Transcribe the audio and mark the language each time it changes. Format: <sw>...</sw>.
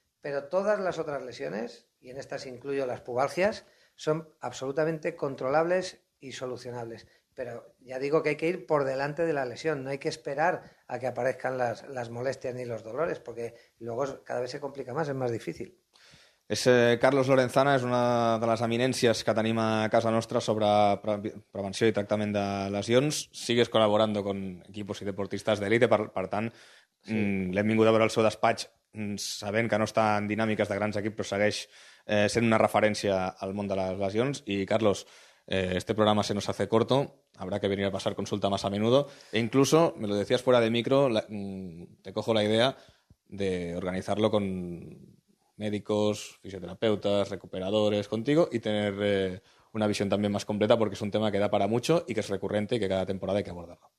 <es>Pero todas las otras lesiones, y en estas incluyo las pubalgias, son absolutamente controlables y solucionables. Pero ya digo que hay que ir por delante de la lesión, no hay que esperar a que aparezcan las molestias ni los dolores, porque luego cada vez se complica más, es más difícil.</es> <ca>Carlos Lorenzana es una de les eminències que tenim a casa nostra sobre prevenció i tractament de lesions. Sigues</ca> <es>col·laborando con equipos</es> <ca>i deportistes d'elite, per tant, sí. L'hem vingut a veure al seu despatx sabent que no està en dinàmiques de grans equips, però segueix sent una referència al món de les lesions.</ca> <es>I, Carlos, este programa se nos hace corto, habrá que venir a passar consulta más a menudo. E incluso, me lo decías fuera de micro, te cojo la idea de organizarlo con médicos, fisioterapeutas, recuperadores contigo y tener una visión también más completa, porque es un tema que da para mucho y que es recurrente y que cada temporada hay que abordarlo.</es>